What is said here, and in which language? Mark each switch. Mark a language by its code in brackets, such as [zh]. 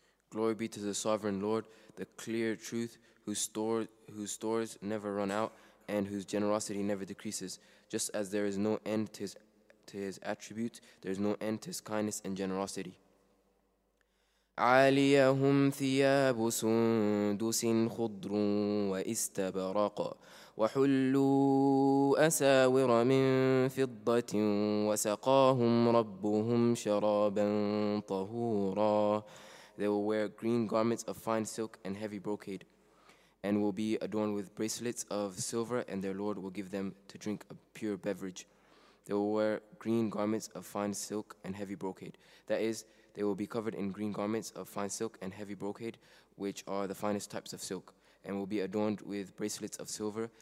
[en] Glory be to the Sovereign Lord, the clear truth, whose stores never run out and whose generosity never decreases. Just as there is no end to his attributes, there is no end to His kindness and generosity. [ar] عليهم ثياب سندس خضر واستبرق وحلوا أساور من فضة وسقاهم ربهم شرابا طهورا. [en] They will wear green garments of fine silk and heavy brocade, and will be adorned with bracelets of silver, and their Lord will give them to drink a pure beverage. They will wear green garments of fine silk and heavy brocade. That is, they will be covered in green garments of fine silk and heavy brocade, which are the finest types of silk, and will be adorned with bracelets of silver.